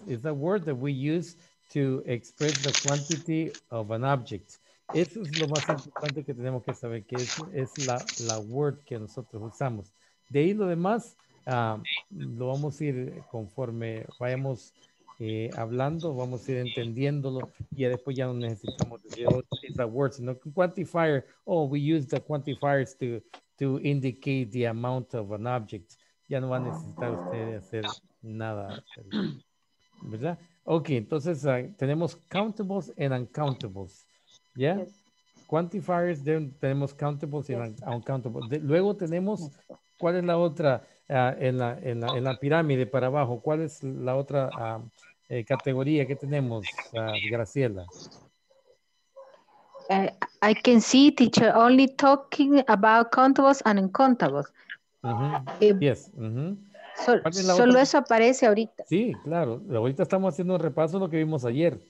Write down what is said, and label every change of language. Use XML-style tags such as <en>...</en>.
<en>It's a word that we use to express the quantity of an object.</en> <es>Eso es lo más importante que tenemos que saber, que es la word que nosotros usamos. De ahí lo demás, lo vamos a ir conforme vayamos hablando, vamos a ir entendiéndolo, y después ya no necesitamos decir,</es> <en>oh, it's a word,</en> <es>sino quantifier,</es> <en>we use the quantifiers to indicate the amount of an object.</en> <es>Ya no va a necesitar usted hacer nada. ¿verdad? Ok, entonces tenemos</es> <en>countables and uncountables.</en> <es>¿Ya?</es> <en>Yeah? Yes. Quantifiers,</en> <es>tenemos</es> <en>countables yes. and uncountables. Luego tenemos, ¿cuál es la otra en la pirámide para abajo? ¿Cuál es la otra categoría que tenemos, Graciela? I can see teacher only talking about countables and uncountables. Uh-huh. Yes. Uh-huh.</en> <es>Solo eso aparece ahorita. Sí, claro. Ahorita estamos haciendo un repaso de lo que vimos ayer.</es>